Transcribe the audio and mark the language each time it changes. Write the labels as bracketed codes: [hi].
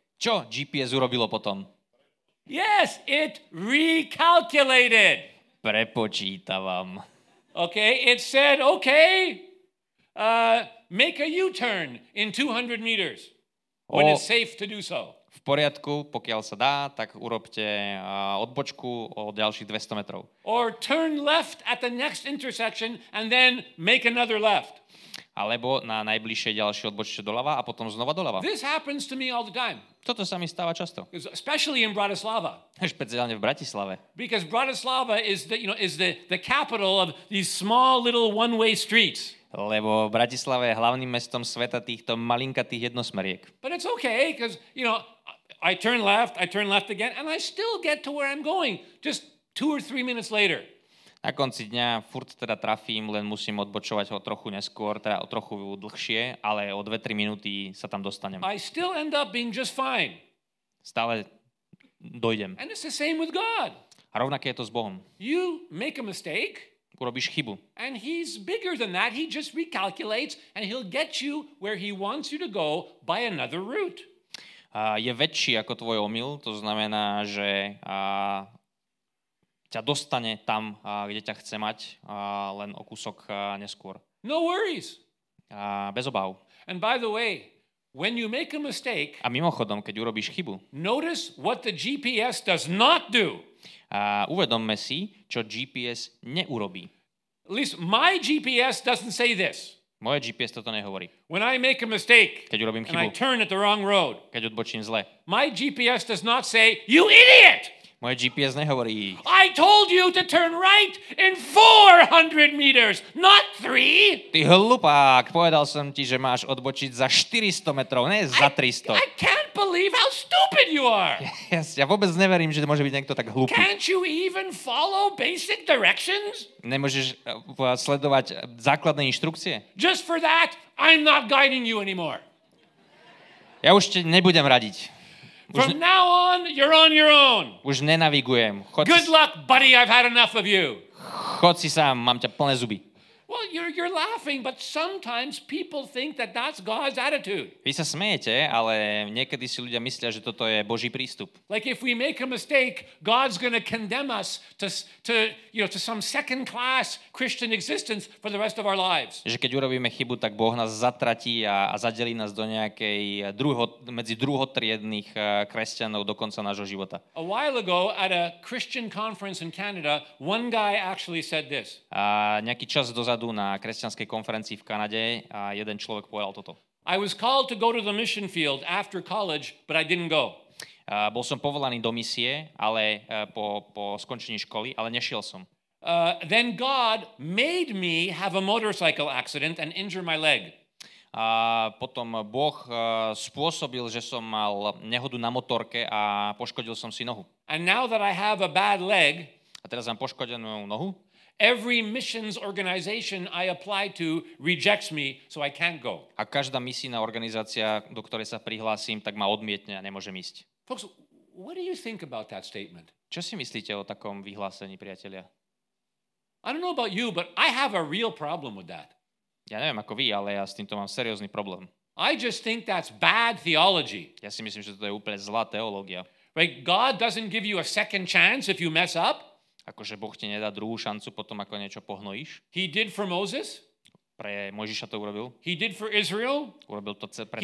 [sk] Čo GPS urobilo potom? [en] Yes, it recalculated. [sk] Prepočítavam. [en] Okay, it said, okay, make a U-turn in 200 meters when it's safe to do so. [sk] V poriadku, pokiaľ sa dá, tak urobte odbočku o ďalších 200 metrov. [en] Or turn left at the next intersection and then make another left. [sk] Alebo na najbližšie ďalšie odbočte doľava a potom znova doľava. [en] This happens to me all the time. [sk] Toto sa mi stáva často. [en] Especially in Bratislava. [sk] Špeciálne v Bratislave. [en] Because Bratislava is the, you know, is the capital of these small little one-way streets. [sk] Lebo Bratislava je hlavným mestom sveta týchto malinkatých jednosmeriek. [en] But it's okay, because, you know, I turn left again, and I still get to where I'm going, just 2 or 3 minutes later. [sk] Na konci dňa furt teda trafím, len musím odbočovať ho trochu neskôr, teda o trochu dlhšie, ale o 2-3 minúty sa tam dostanem. [en] I still end up being just fine. [sk] Stále dojdem. [en] And it's the same with God. [sk] A rovnaké je to s Bohom. [en] You make a mistake. [sk] Urobíš chybu. [en] And he's bigger than that. He just recalculates and he'll get you where he wants you to go by another route. [sk] Je väčší ako tvoj omyl, to znamená, že ťa dostane tam, kde ťa chce mať, len o kúsok neskôr. [en] No worries. [sk] Bez obav. [en] And by the way, when you make a mistake, [sk] a mimochodom, keď urobíš chybu, [en] notice what the GPS does not do. [sk] Uvedomme si, čo GPS neurobí. [en] At least my GPS doesn't say this. [sk] Moje GPS toto nehovorí. [en] When I make a mistake, [sk] keď urobím chybu, [en] and I turn at the wrong road, [sk] keď odbočím zle, [en] my GPS does not say, you idiot! [sk] Moje GPS nehovorí. [en] I told you to turn right in 400 meters, not 3. [sk] Ty hlupák, povedal som ti, že máš odbočiť za 400 metrov, ne za 300. [en] I can't believe how stupid you are. [sk] Ja vôbec neverím, že môže byť niekto tak hlúpy. [en] Can't you even follow basic directions? [sk] Nemôžeš sledovať základné inštrukcie? [en] Just for that, I'm not guiding you anymore. [sk] Ja už ti nebudem radiť. [en] From now on, you're on your own. [sk] Už nenavigujem. Chod. [en] Good luck, buddy. I've had enough of you. [sk] Chod si sám, mám ťa plné zuby. [en] Well, you're laughing, but sometimes people think that that's God's attitude. [sk] Vy sa smejete, ale niekedy si ľudia myslia, že toto je Boží prístup. [en] Like if we make a mistake, God's going to condemn us to some second class Christian existence for the rest of our lives. [sk] Že keď urobíme chybu, tak Boh nás zatratí a zadelí nás do nejakej medzi druhotriedných kresťanov do konca nášho života. [en] A while ago at a Christian conference in Canada, one guy actually said this. [sk] A nejaký čas dozadu na kresťanskej konferencii v Kanade a jeden človek povedal toto. [en] I was called to go to the mission field after college, but I didn't go. [sk] Bol som povolaný do misie, ale po skončení školy, ale nešiel som. [en] Then God made me have a motorcycle accident and injure my leg. [sk] A potom Boh spôsobil, že som mal nehodu na motorke a poškodil som si nohu. [en] And now that I have a bad leg, [sk] a teraz mám poškodenú nohu, [en] every missions organization I apply to rejects me, so I can't go. [sk] A každá misijná organizácia, do ktorej sa prihlásim, tak ma odmietne a nemôžem ísť. [en] Folks, what do you think about that statement? [sk] Čo si myslíte o takom vyhlásení, priatelia? [en] I don't know about you, but I have a real problem with that. [sk] Ja neviem ako vy, ale ja s týmto mám seriózny problém. [en] I just think that's bad theology. [sk] Ja si myslím, že to je úplne zlá teológia. [en] Right? God doesn't give you a second chance if you mess up. [sk] Akože Boh ti nedá druhú šancu potom, ako niečo pohnojíš. [en] He did for Moses. [sk] Pre Mojžiša to urobil. [en] He did for Israel. [sk] Urobil to pre